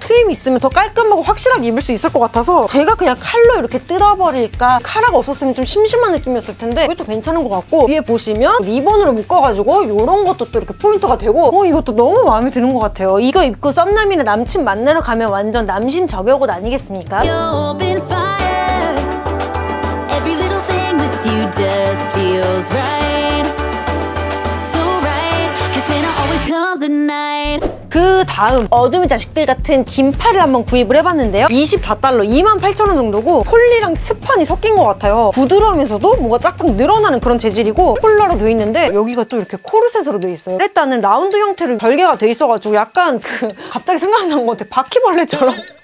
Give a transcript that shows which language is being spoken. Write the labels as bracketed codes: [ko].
[ko] 트임이 있으면 더 깔끔하고 확실하게 입을 수 있을 것 같아서 제가 그냥 칼로 이렇게 뜯어버릴까 카라가 없었으면 좀 심심한 느낌이었을 텐데 이것도 괜찮은 것 같고 위에 보시면 리본으로 묶어가지고 이런 것도 또 이렇게 포인트가 되고 이것도 너무 마음에 드는 것 같아요. 이거 입고 썸남이나 남친 만나러 가면 완전 남심 저격 옷 아니겠습니까? [en] You've been fire. Every little thing with you just feels right. So right. Cause Santa always comes at night. [ko] 그 다음 어둠의 자식들 같은 긴팔을 한번 구입을 해봤는데요. 24달러 28,000원 정도고 폴리랑 스판이 섞인 것 같아요. 부드러우면서도 뭔가 짝짝 늘어나는 그런 재질이고 폴라로 되어 있는데 여기가 또 이렇게 코르셋으로 되어 있어요. 일단은 라운드 형태로 별개가 되어 있어가지고 약간 그 갑자기 생각난 것 같아. 바퀴벌레처럼.